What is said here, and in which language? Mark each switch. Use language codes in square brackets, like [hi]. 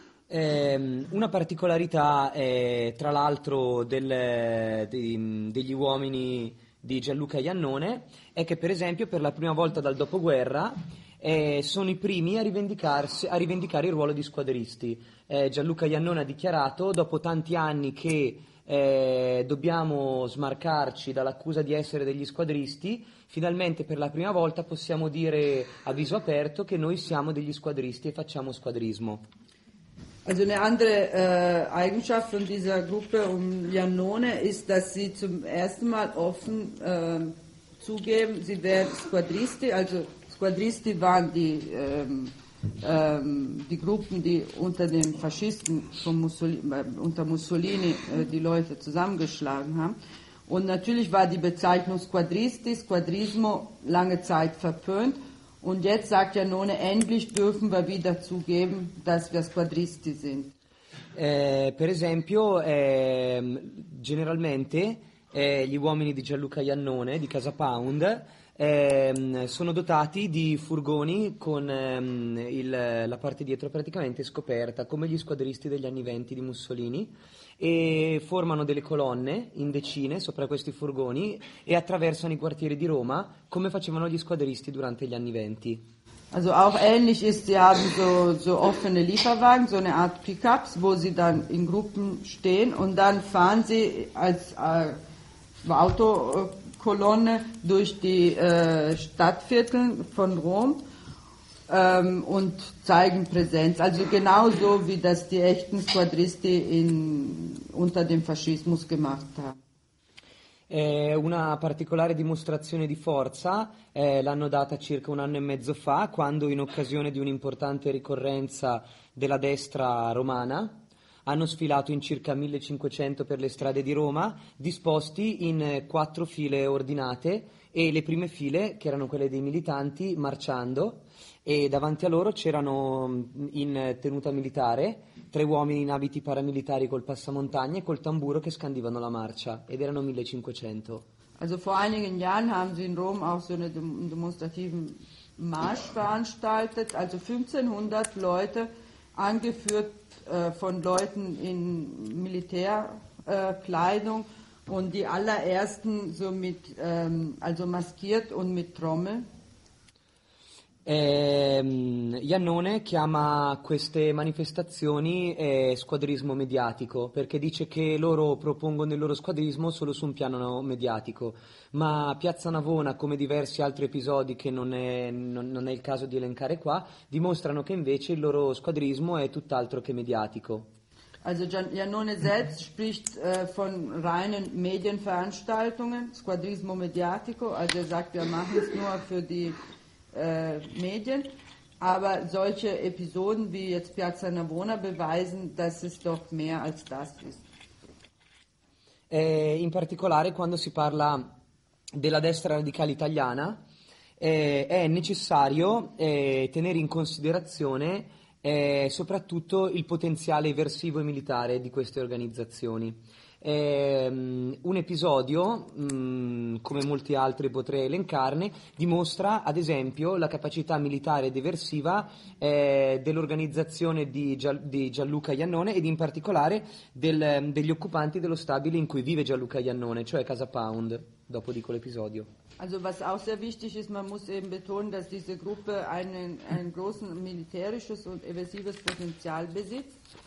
[it] Una particolarità è, tra l'altro, degli uomini di Gianluca Iannone è che, per esempio, per la prima volta dal dopoguerra sono i primi a rivendicare il ruolo di squadristi. Gianluca Iannone ha dichiarato, dopo tanti anni, che dobbiamo smarcarci dall'accusa di essere degli squadristi, finalmente per la prima volta possiamo dire a viso aperto che noi siamo degli squadristi e facciamo squadrismo. [de] Also eine andere Eigenschaft von dieser Gruppe um Iannone ist, dass sie zum ersten Mal offen zugeben, sie wären Squadristi, also Squadristi waren die, die Gruppen, die unter den Faschisten von Mussolini, unter Mussolini die Leute zusammengeschlagen haben. Und natürlich war die Bezeichnung Squadristi, Squadrismo lange Zeit verpönt. Und jetzt sagt Iannone, endlich dürfen wir wieder zugeben, dass wir Squadristi sind. [it] Per esempio, generalmente gli uomini di Gianluca Iannone, di Casa Pound, sono dotati di furgoni con la parte dietro praticamente scoperta, come gli squadristi degli anni 20 di Mussolini, e formano delle colonne in decine sopra questi furgoni e attraversano i quartieri di Roma come facevano gli squadristi durante gli anni 20. [de] Also auch ähnlich ist, sie haben so offene Lieferwagen, so eine Art Pickups, wo sie dann in Gruppen stehen und dann fahren sie als Autokolonne durch die Stadtviertel von Rom und zeigen Präsenz. Also genauso wie das die echten Squadristi unter dem Faschismus gemacht haben. [it] È una particolare dimostrazione di forza, l'hanno data circa un anno e mezzo fa, quando in occasione di un'importante ricorrenza della destra romana hanno sfilato in circa 1500 per le strade di Roma, disposti in quattro file ordinate, e le prime file, che erano quelle dei militanti, marciando, e davanti a loro c'erano in tenuta militare tre uomini in abiti paramilitari col passamontagna e col tamburo che scandivano la marcia, ed erano 1500. [de] Also vor einigen Jahren haben sie in Rom auch so einen demonstrativen Marsch veranstaltet, also 1500 Leute angeführt von Leuten in Militärkleidung und die allerersten so mit also maskiert und mit Trommel. [it] Iannone chiama queste manifestazioni squadrismo mediatico, perché dice che loro propongono il loro squadrismo solo su un piano mediatico, ma Piazza Navona, come diversi altri episodi che non è il caso di elencare qua, dimostrano che invece il loro squadrismo è tutt'altro che mediatico. [de] Also Iannone selbst spricht von reinen Medienveranstaltungen, [it] squadrismo mediatico, [de] also er sagt, wir machen es nur für die Medien, aber solche Episoden wie jetzt Piazza Navona beweisen, dass es doch mehr als das ist. [it] In particolare, quando si parla della destra radicale italiana, è necessario tenere in considerazione soprattutto il potenziale eversivo e militare di queste organizzazioni. Un episodio, come molti altri potrei elencarne, dimostra ad esempio la capacità militare ed eversiva dell'organizzazione di Gianluca Iannone ed in particolare degli occupanti dello stabile in cui vive Gianluca Iannone, cioè Casa Pound, dopo dico l'episodio. [de] Also was auch sehr wichtig ist, man muss eben betonen, dass diese Gruppe ein großes militärisches und eversives Potenzial besitzt.